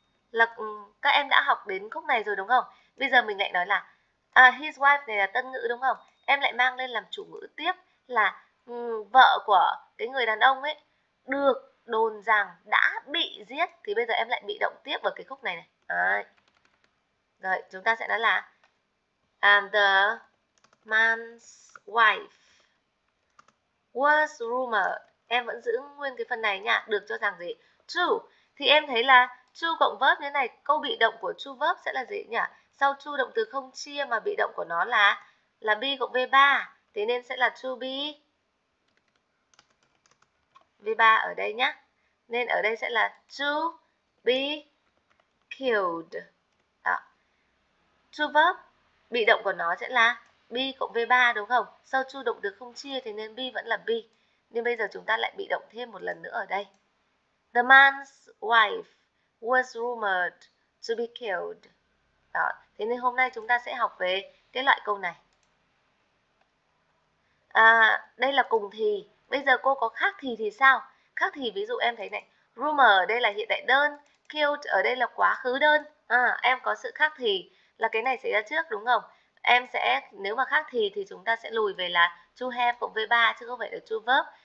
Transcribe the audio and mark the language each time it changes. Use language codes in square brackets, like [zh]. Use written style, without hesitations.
[vi] Là các em đã học đến khúc này rồi đúng không? Bây giờ mình lại nói là his wife này là tân ngữ đúng không? Em lại mang lên làm chủ ngữ tiếp là vợ của cái người đàn ông ấy được đồn rằng đã bị giết. Thì bây giờ em lại bị động tiếp vào cái khúc này này. Rồi, chúng ta sẽ nói là [en] and the man's wife was rumored. [vi] Em vẫn giữ nguyên cái phần này nha, được cho rằng gì? To. Thì em thấy là to cộng verb như này, câu bị động của to verb sẽ là gì nhỉ? Sau to động từ không chia mà bị động của nó là be cộng V3. Thế nên sẽ là to be V3 ở đây nhá. Nên ở đây sẽ là [en] to be killed. [vi] To verb Bị động của nó sẽ là be cộng V3 đúng không? Sau chu động từ không chia thì nên be vẫn là be. Nhưng bây giờ chúng ta lại bị động thêm một lần nữa ở đây. [en] The man's wife was rumored to be killed. [vi] Đó. Thế nên hôm nay chúng ta sẽ học về cái loại câu này. À, đây là cùng thì. Bây giờ cô có khác thì sao? Khác thì ví dụ em thấy này. Rumor ở đây là hiện tại đơn. Killed ở đây là quá khứ đơn. À, em có sự khác thì là cái này xảy ra trước đúng không? Em sẽ, nếu mà khác thì chúng ta sẽ lùi về là to have cộng V3 chứ không phải là to verb.